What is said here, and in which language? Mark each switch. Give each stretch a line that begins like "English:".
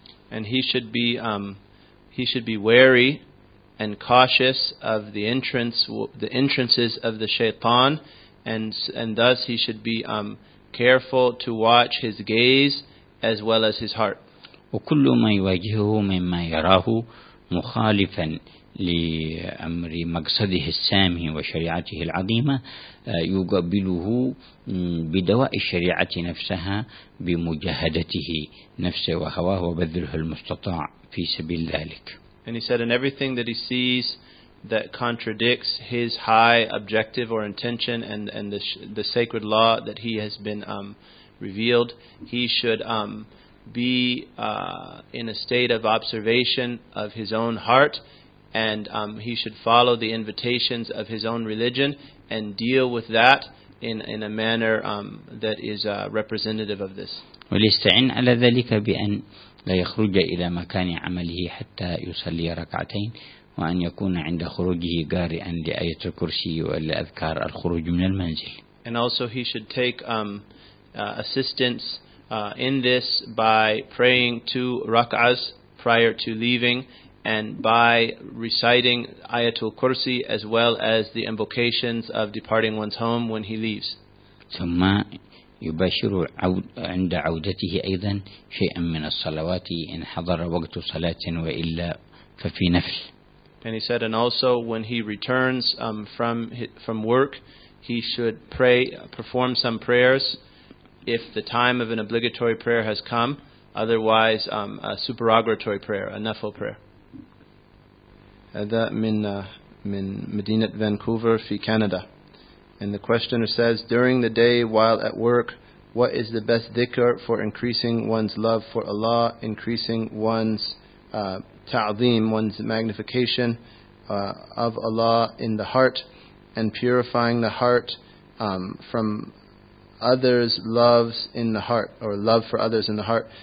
English: And he should be wary and cautious of the entrances of the shaitan, and thus he should be careful to watch his gaze as well as his heart.
Arabic: وكل ما يواجهه مما يراه مخالفا لأمر مقصده السامي وشريعته العظيمة يقبله بدواء الشريعة نفسها بمجاهدته نفسه وهواه وبذله المستطاع في سبيل ذلك.
English: And he said, in everything that he sees that contradicts his high objective or intention and the sacred law that he has been revealed, he should be in a state of observation of his own heart, and he should follow the invitations of his own religion and deal with that in a manner that is representative of this.
Arabic: وليستعين على ذلك بأن لا يخرج إلى مكان عمله حتى يصلي ركعتين وأن يكون عند خروجه قارئا لآية الكرسي ولأذكار الخروج من المنزل.
English: And also he should take assistance in this by praying two rak'ahs prior to leaving, and by reciting Ayatul Kursi as well as the invocations of departing one's home when he leaves.
Arabic: ثم يبشر عند عودته أيضا شيئا من الصلوات إن حضر وقت صلاة وإلا ففي نفل.
English: And he said, and also when he returns from work, he should pray, perform some prayers if the time of an obligatory prayer has come, otherwise a supererogatory prayer, a nafil prayer.
Arabic: هذا من مدينة فانكوفر في كندا.
English: And the questioner says, during the day while at work, what is the best dhikr for increasing one's love for Allah, increasing one's ta'zim, one's magnification of Allah in the heart, and purifying the heart from others' loves in the heart, or love for others in the heart?